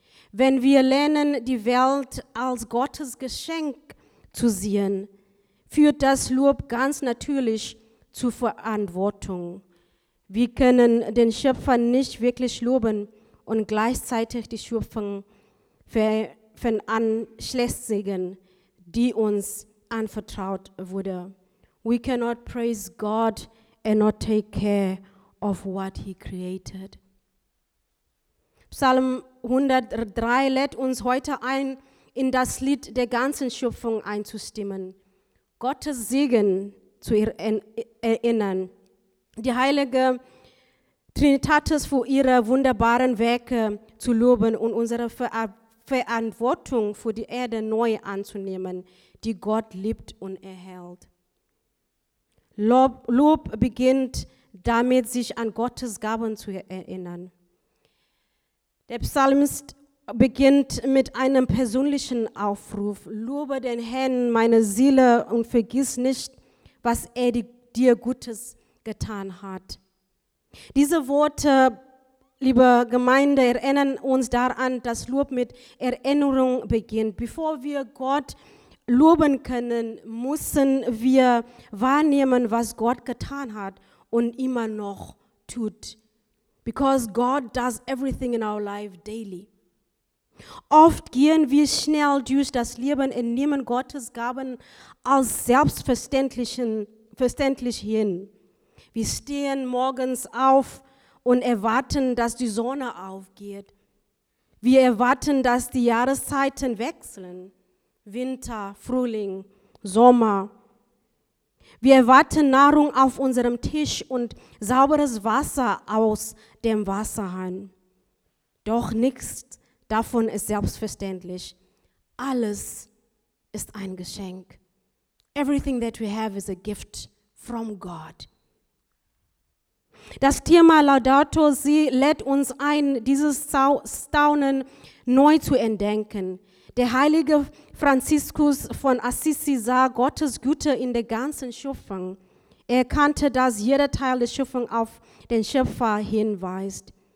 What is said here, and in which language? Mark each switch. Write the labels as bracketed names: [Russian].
[German] Wenn wir lernen, die Welt als Gottes Geschenk zu sehen, führt das Lob ganz natürlich zur Verantwortung. Wir können den Schöpfer nicht wirklich loben und gleichzeitig die Schöpfung veranschlässigen, die uns anvertraut wurde. [English] We cannot praise God and not take care of what he created. [German] Psalm 103 lädt uns heute ein, in das Lied der ganzen Schöpfung einzustimmen, Gottes Segen zu erinnern, die heilige Trinitatis für ihre wunderbaren Werke zu loben und unsere Verantwortung für die Erde neu anzunehmen, die Gott liebt und erhält. Lob beginnt damit, sich an Gottes Gaben zu erinnern. Der Psalmist beginnt mit einem persönlichen Aufruf. Lobe den Herrn, meine Seele, und vergiss nicht, was er dir Gutes getan hat. Diese Worte, liebe Gemeinde, erinnern uns daran, dass Lob mit Erinnerung beginnt. Bevor wir Gott loben können, müssen wir wahrnehmen, was Gott getan hat und immer noch tut. [English] Because God does everything in our life daily. [German] Oft gehen wir schnell durch das Leben und nehmen Gottes Gaben als selbstverständlich hin. Wir stehen morgens auf und erwarten, dass die Sonne aufgeht. Wir erwarten, dass die Jahreszeiten wechseln. Winter, Frühling, Sommer. Wir erwarten Nahrung auf unserem Tisch und sauberes Wasser aus dem Wasserhahn. Doch nichts davon ist selbstverständlich. Alles ist ein Geschenk. [English] Everything that we have is a gift from God. [German] Das Thema Laudato Si lädt uns ein, dieses Staunen neu zu entdecken. Der heilige Franziskus von Assisi sah Gottes Güte in der ganzen Schöpfung. Er erkannte, dass jeder Teil der Schöpfung auf den Schöpfer hinweist.